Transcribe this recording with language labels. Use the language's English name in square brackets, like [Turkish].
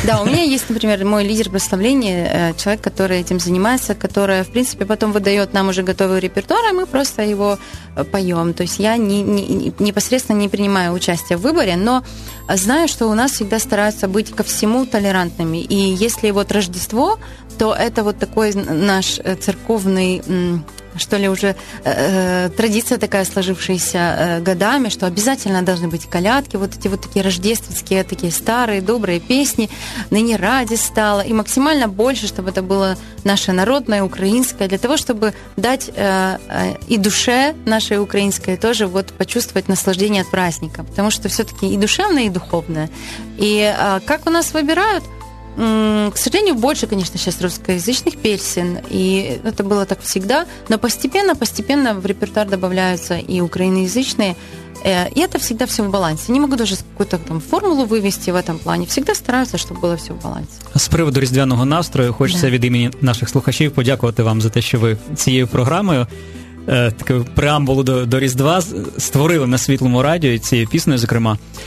[Ukrainian] Да, у мене є, наприклад, мой лідер прославлення, чоловік, який цим займається, який, в принципі, потім видає нам уже готовий репертуар, а ми просто його поем. Тобто я непосредственно не приймаю участь в виборі, но знаю, що у нас завжди стараються бути ко всему толерантними. [Russian] И если вот Рождество, то это вот такой наш церковный, что ли, уже традиция такая сложившаяся годами, что обязательно должны быть колядки, вот эти вот такие рождественские, такие старые, добрые песни, ныне ради стало, и максимально больше, чтобы это было наше народное, украинское, для того, чтобы дать и душе нашей украинской тоже вот почувствовать наслаждение от праздника, потому что все-таки и душевное, и духовное. И как у нас выбирают? К сожалению, больше, конечно, сейчас русскоязычных песен, и это было так всегда, но постепенно в репертуар добавляются и украиноязычные, и это всегда все в балансе. Не могу даже какую-то там формулу вывести в этом плане. Всегда стараются, чтобы было все в балансе. [Ukrainian] С приводу різдвяного настрою хочется від імені наших слухачів подякувати вам за те, що ви цією програмою таку преамбулу до Різдва створили на Світлому Радіо і цією піснею, зокрема.